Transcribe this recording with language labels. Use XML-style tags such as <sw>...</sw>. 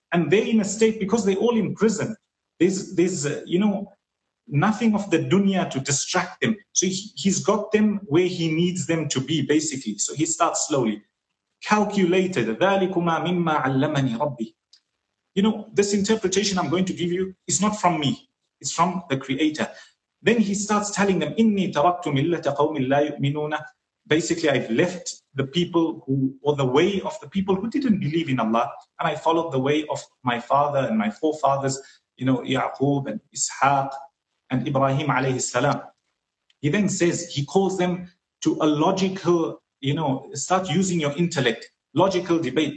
<en>And they're in a state, because they're all in prison, there's nothing of the dunya to distract them. So he's got them where he needs them to be, basically. So he starts slowly. Calculated.</en> <ar>ذَلِكُمَا مِمَّا عَلَّمَنِي رَبِّي.</ar> <en>You know, this interpretation I'm going to give you is not from me. It's from the Creator. Then he starts telling them,</en> <ar>إِنِّي تَرَكْتُ مِلَّةَ قَوْمٍ لَا يُؤْمِنُونَ.</ar> <en>Basically, I've left the people who, or the way of the people who didn't believe in Allah, and I followed the way of my father and my forefathers, you know, Ya'qub and Ishaq and Ibrahim alayhi salam. He then says, he calls them to a logical, you know, start using your intellect, logical debate.</en>